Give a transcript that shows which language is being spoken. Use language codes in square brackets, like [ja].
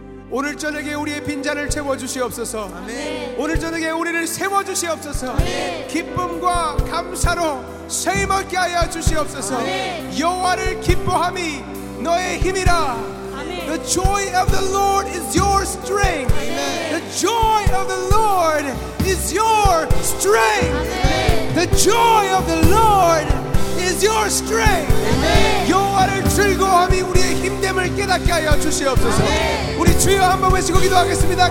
[ko] 오늘 저녁에 우리의 빈잔을 채워주시옵소서. 아멘. 오늘 저녁에 우리를 세워주시옵소서. 아멘. 기쁨과 감사로 쇠먹게 하여 주시옵소서. 아멘. 여호와를 기뻐함이 너의 힘이라. 아멘. [en] The joy of the Lord is your strength. [ko] 아멘. [en] The joy of the Lord is your strength. [ko] 아멘. [en] The joy of the Lord is your strength. [ko] 여호와를 즐거워함이 우리의 힘됨을 깨닫게 하여 주시옵소서. 아멘. 우리 주여 한번 외치고 기도하겠습니다.